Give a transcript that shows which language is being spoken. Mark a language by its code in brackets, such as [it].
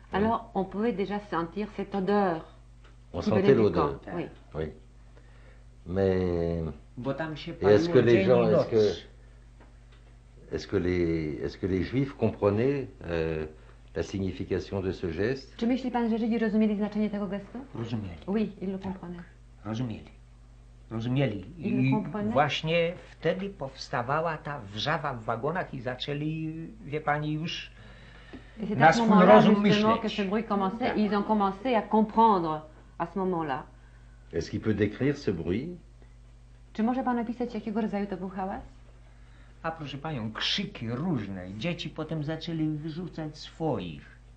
[fr] Alors, oui. On pouvait déjà sentir cette odeur. On sentait l'odeur. Oui. Oui. Mais est-ce que les gens, est-ce que les Juifs comprenaient la signification de ce geste? [pl] Czy myśli pan, że Żydzi rozumieli znaczenie tego gestu? Rozumieli. [fr] Oui, ils le comprenaient. [pl] Rozumieli. Rozumieli. I właśnie wtedy powstawała ta wrzawa w wagonach i zaczęli, wie pani, już na swój rozum myśleć. [fr] Ce bruit commençait, tak. Ils ont commencé à comprendre à ce moment-là. Est-ce qu'il peut décrire ce bruit? [pl] Czy może pan opisać, jakiego rodzaju to był hałas? A proszę panią, krzyki różne. Dzieci potem zaczęli wyrzucać swoich.